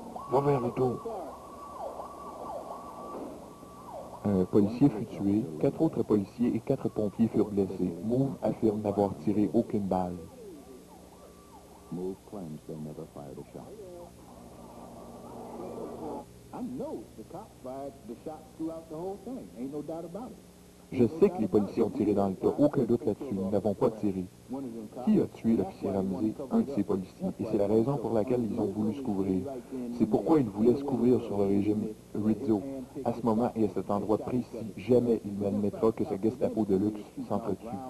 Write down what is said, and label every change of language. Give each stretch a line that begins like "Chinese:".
French: Va vers le dos. Un policier fut tué, quatre autres policiers et quatre pompiers furent blessés. Move affirme n'avoir tiré aucune balle.
English: Move claims they never fired a shot. I know the cops fired the shots throughout the whole thing. Ain't no doubt about it.
French: Je sais que les policiers ont tiré dans le tas. Aucun doute là-dessus. Nous n'avons pas tiré. Qui a tué l'officier Ramsey? Un de ces policiers. Et c'est la raison pour laquelle ils ont voulu se couvrir. C'est pourquoi ils voulaient se couvrir sur le régime Rizzo. À ce moment et à cet endroit précis, jamais il n'admettra que ce Gestapo de luxe s'entretue.